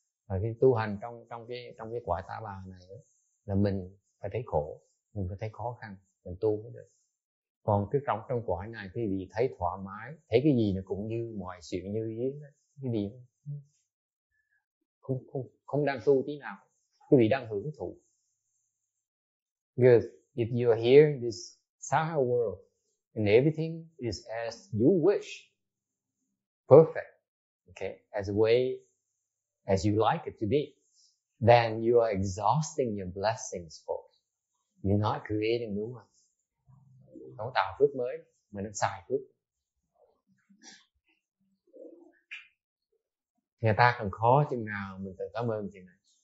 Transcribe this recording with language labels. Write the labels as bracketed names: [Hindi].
[Vietnamese] Và cái tu hành trong cái quả ta bà này đó, là mình phải thấy khổ, mình phải thấy khó khăn, mình tu mới được. Còn cái trong quả này thì vì thấy thoải mái, thấy cái gì nó cũng như mọi sự như ý, cái gì không đang tu tí nào, cái gì đang hưởng thụ. [English] Good. If you are here in this Saha world and everything is as you wish, perfect, okay, as the way as you like it to be, then you are exhausting your blessings first. You're not creating new ones. [Vietnamese] Không tạo phước mới, mình đang xài phước. Người ta cần khó chừng nào mình cần cảm ơn chừng nào.